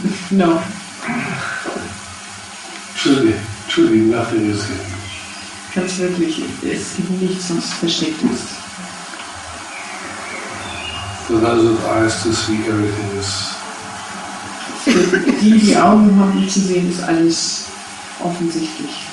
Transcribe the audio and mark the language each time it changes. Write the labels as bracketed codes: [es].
[en] No. Truly, nothing is hidden. [de] Ganz wirklich, es gibt nichts, was versteckt ist. [en] For those with eyes to see, everything is. [de] Die, die Augen haben, um zu sehen, ist alles offensichtlich.